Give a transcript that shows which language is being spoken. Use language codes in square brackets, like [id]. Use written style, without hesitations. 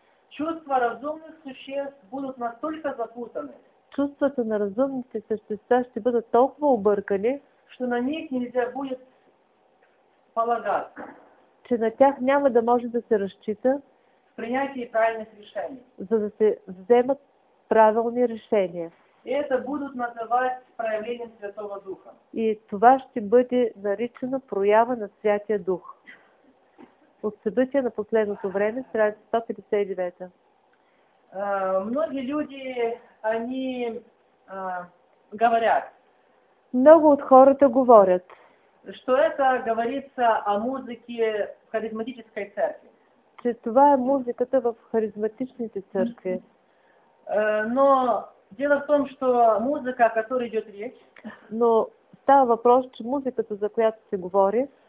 [ru] Чувства разумных существ будут настолько запутаны. [bg] Чувствата на разумните същества ще бъдат толкова объркани, [ru] что на них нельзя будет полагаться. [bg] Че на тях няма да може да се разчита. [ru] В принятии правильных решений. [bg] За да се вземат правилни решения. [ru] И это будут называть проявлением Святого Духа. [bg] И това ще бъде наричано проява на Святия Дух. От събития на последното време, страница 159. [ru] Многие люди, они говорят, [bg] много от хората говорят, [ru] что это говорится о музыке в харизматической церкви. [bg] Че това е музиката в харизматичните църкви. [ru] Но дело в том, что музыка, о которой идет речь, [bg] но става въпрос, че музиката, за която се говори,